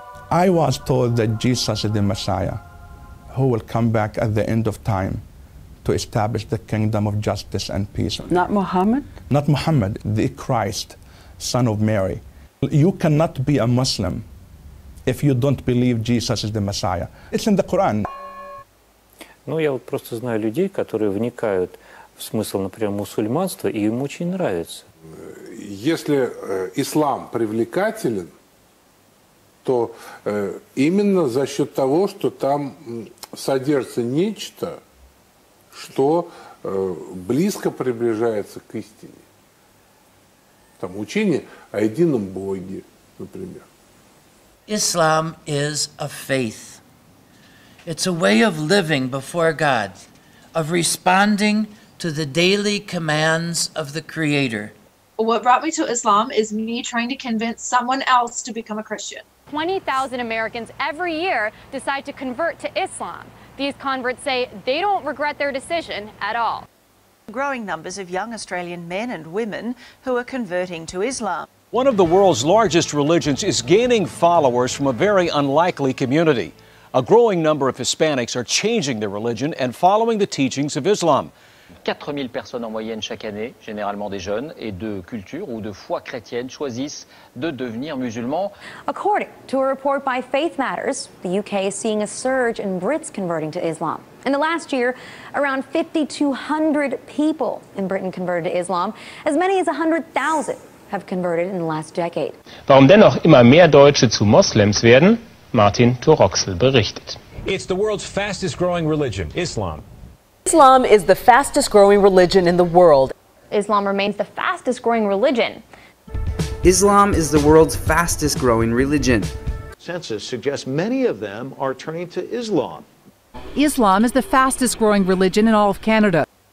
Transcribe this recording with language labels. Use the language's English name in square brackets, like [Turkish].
[English] I was told that Jesus is the Messiah, who will come back at the end of time to establish the kingdom of justice and peace. Not Muhammad? Not Muhammad, the Christ, son of Mary. You cannot be a Muslim if you don't believe Jesus is the Messiah. It's in the Quran. [Russian] Ну, я вот просто знаю людей, которые вникают в смысл, например, мусульманства, и им очень нравится. Если ислам привлекателен, то именно за счет того, что там содержится нечто, что близко приближается к истине. Там учение о едином Боге, например. [English] Islam is a faith. It's a way of living before God, of responding to the daily commands of the Creator. What brought me to Islam is me trying to convince someone else to become a Christian. 20,000 Americans every year decide to convert to Islam. These converts say they don't regret their decision at all. Growing numbers of young Australian men and women who are converting to Islam. One of the world's largest religions is gaining followers from a very unlikely community. A growing number of Hispanics are changing their religion and following the teachings of Islam. [French] 4000 personnes en moyenne chaque année, généralement des jeunes et de culture ou de foi chrétienne, choisissent de devenir musulmans. [English] According to a report by Faith Matters, the UK is seeing a surge in Brits converting to Islam. In the last year, around 5,200 people in Britain converted to Islam, as many as 100,000. Have converted in the last decade. [German] Warum dennoch immer mehr Deutsche zu Moslems werden, Martin Toroxel berichtet. [English] It's the world's fastest growing religion, Islam. Islam is the fastest growing religion in the world. Islam remains the fastest growing religion. Islam is the world's fastest growing religion. Census suggests many of them are turning to Islam. Islam is the fastest growing religion in all of Canada.